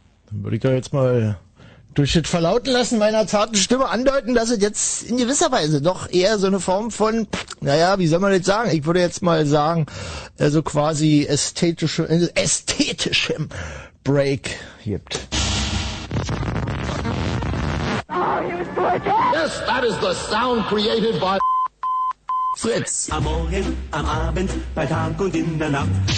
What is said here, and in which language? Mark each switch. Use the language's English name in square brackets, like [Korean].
[German] würde ich da jetzt mal durch das Verlauten lassen meiner zarten Stimme andeuten, dass es jetzt in gewisser Weise doch eher so eine Form von, naja, wie soll man das sagen? Ich würde jetzt mal sagen, also quasi ästhetischem Break gibt. [English] Yes, that is the sound created by Fritz. [German] Am Morgen, am Abend, bei Tag und in der Nacht.